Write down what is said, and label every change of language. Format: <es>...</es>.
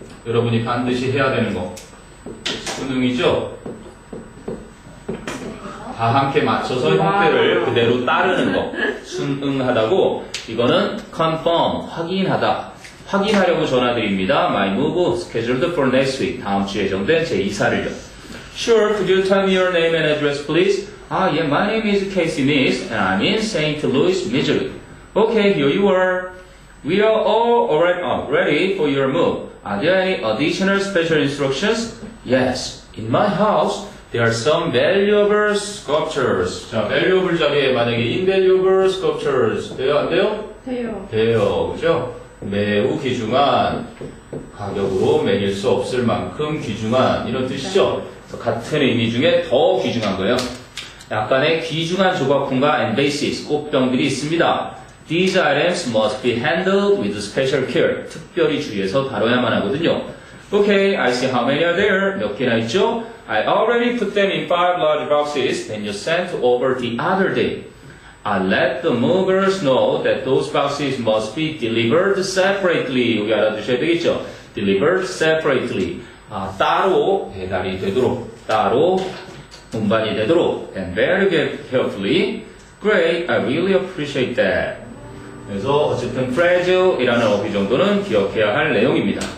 <ko>여러분이 반드시 해야 되는 거. 수능이죠. 다 함께 맞춰서 형태를 그대로 따르는 거. 순응하다고. 이거는 confirm, 확인하다. 확인하려고 전화드립니다.</ko> <en>My move is scheduled for next week.</en> <ko>다음 주에 예정된 제 이사를요.</ko> <en>Sure, could you tell me your name and address, please? Ah, yeah, my name is Casey Nist, and I'm in St. Louis, Missouri. Okay, here you are. We are all already ready for your move. Are there any additional special instructions? Yes, in my house, there are some valuable sculptures.</en> <ko>자, valuable 자리에 만약에</ko> <en>invaluable sculptures.</en> <ko>돼요, 안 돼요? 돼요. 돼요, 그죠? 매우 귀중한, 가격으로 매길 수 없을 만큼 귀중한, 이런 뜻이죠? 네. 같은 의미 중에 더 귀중한 거예요. 약간의 귀중한 조각품과 embases, 꽃병들이 있습니다.</ko> <en>These items must be handled with special care.</en> <ko>특별히 주의해서 다뤄야만 하거든요.</ko> <en>Okay, I see how many are there.</en> <ko>몇 개나 있죠?</ko> <en>I already put them in five large boxes that you sent over the other day. I let the movers know that those boxes must be delivered separately.</en> <ko>여기 알아두셔야 되겠죠?</ko> <en>Delivered separately.</en> <ko>아, 따로 배달이 되도록, 따로 운반이 되도록.</ko> <en>And very good, carefully. Great, I really appreciate that.</en> <ko>그래서 어쨌든 fragile이라는 어휘 정도는 기억해야 할 내용입니다.</ko>